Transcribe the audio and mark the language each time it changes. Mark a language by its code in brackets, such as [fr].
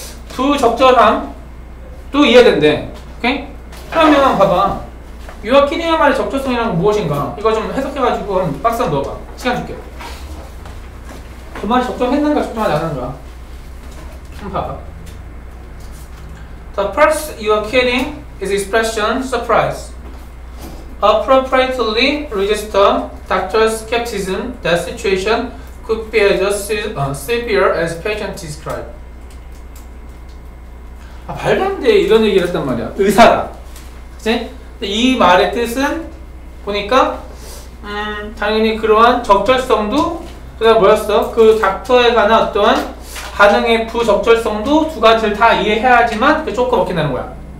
[ko] 부적절함도 이해된대. 오케이? 그러면 봐봐 유아 키딩의 말의 적절성이란 무엇인가 이거 좀 해석해가지고 박스 한번 넣어봐. 시간 줄게. 그 말이 적절했는가 적절하지 않은가 한번 봐봐. [en] The first you are kidding is expression surprise. Appropriately register doctor's skepticism that situation could be as severe as patient described. [ko] 아, 말도 안 돼. 이런 얘기를 했단 말이야. 의사다. 그치? 이 말의 뜻은 보니까, 당연히 그러한 적절성도, 그 다음 뭐였어? 그 닥터에 관한 어떤 반응의 부적절성도 두 가지를 다 이해해야지만 그게 조금 어렵게 되는 거야.